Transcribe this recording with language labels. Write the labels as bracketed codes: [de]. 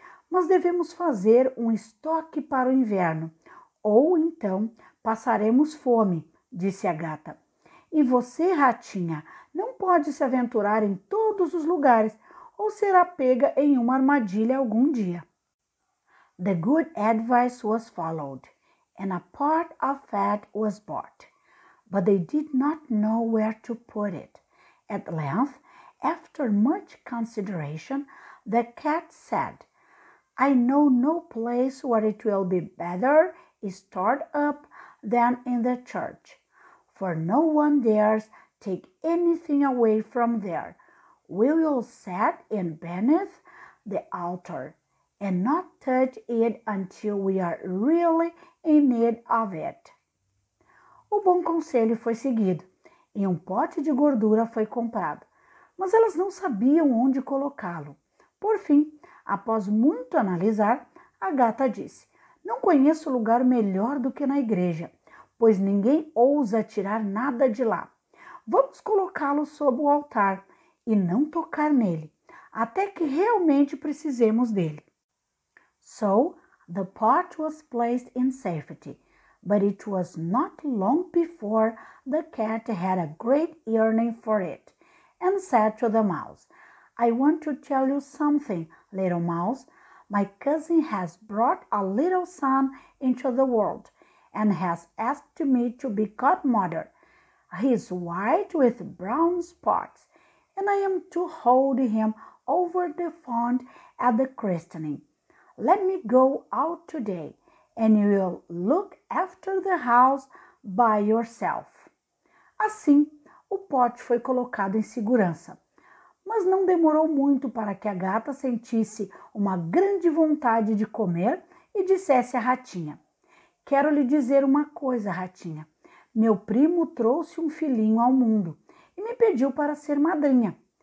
[pt] Mas devemos fazer um estoque para o inverno, ou então passaremos fome, disse a gata. E você, ratinha, não pode se aventurar em todos os lugares, ou será pega em uma armadilha algum dia. [en] The good advice was followed, and a pot of fat was bought, but they did not know where to put it. At length, after much consideration, the cat said, I know no place where it will be better stored up than in the church, for no one dares take anything away from there. We will set in beneath the altar, and not touch it until we are really in need of it. [pt] O bom conselho foi seguido, e um pote de gordura foi comprado, mas elas não sabiam onde colocá-lo. Por fim, após muito analisar, a gata disse: Não conheço lugar melhor do que na igreja, pois ninguém ousa tirar nada de lá. Vamos colocá-lo sob o altar e não tocar nele, até que realmente precisemos dele. [en] So the pot was placed in safety, but it was not long before the cat had a great yearning for it, and said to the mouse, I want to tell you something, little mouse. My cousin has brought a little son into the world, and has asked me to be godmother. He is white with brown spots, and I am to hold him over the font at the christening. Let me go out today and you'll look after the house by yourself. [pt] Assim, o pote foi colocado em segurança. Mas não demorou muito para que a gata sentisse uma grande vontade de comer e dissesse à ratinha: Quero lhe dizer uma coisa, ratinha. Meu primo trouxe um filhinho ao mundo e me pediu para ser madrinha.